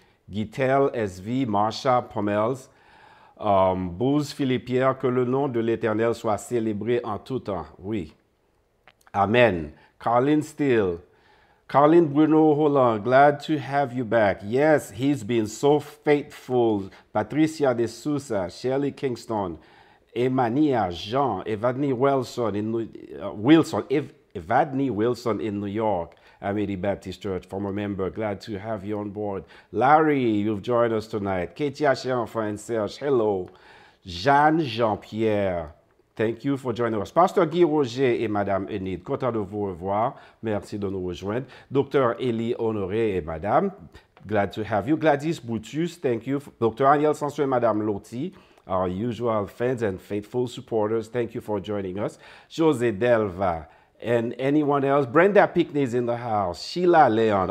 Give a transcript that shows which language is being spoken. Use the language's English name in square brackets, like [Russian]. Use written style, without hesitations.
[French] Gitel SV, Marsha Pommels, Bouz Philippier, que le nom de l'Éternel soit célébré en tout temps. Oui. Amen. [English] Carlin Steele, Carlin Bruno Holland, glad to have you back. Yes, he's been so faithful. Patricia de Sousa, Shirley Kingston, Emania Jean, Evadne Wilson in New York, Amity Baptist Church, former member, glad to have you on board. Larry, you've joined us tonight. Katie Achéanfant and Serge, hello. Jeanne Jean-Pierre, thank you for joining us. [French] Pastor Guy Roger et Madame Enid, content de vous revoir. Merci de nous rejoindre. Dr. [English] Elie Honoré [French] et Madame, [English] glad to have you. Gladys Boutus, thank you. Dr. Aniel Sansou [French] et Madame [English] Loti, our usual fans and faithful supporters, thank you for joining us. José Delva And anyone else? Brenda Pickney's in the house. Sheila Leon.